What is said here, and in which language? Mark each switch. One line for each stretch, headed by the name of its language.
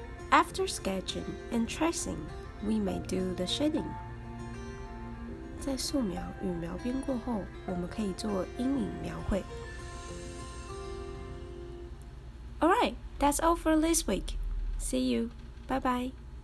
English: After sketching and tracing,We may do the shading.
Chinese: 在素描与描边过后，我们可以做阴影描绘。
English: All right, that's all for this week. See you. Bye bye.